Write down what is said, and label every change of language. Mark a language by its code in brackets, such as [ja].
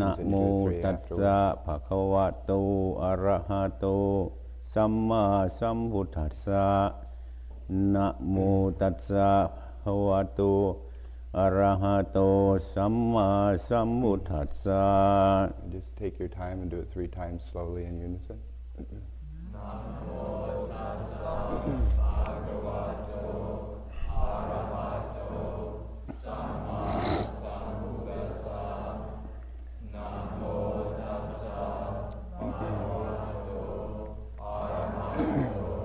[pi] นะโมตั สสะภะคะวะโตอะระหะโตสัมมาสัมพุทธัสสะนะโมตัสสะภะคะวะโตอะระหะโตสัมมาสัมพุทธัสสะ [en] Just take your time and do it three times slowly in unison. [pi] นะโมตัสสะภะคะวะโตอะระหะโตสัมมาสัมพุทธัสสะนะโมตัสสะภะคะวะโตอะระหะโต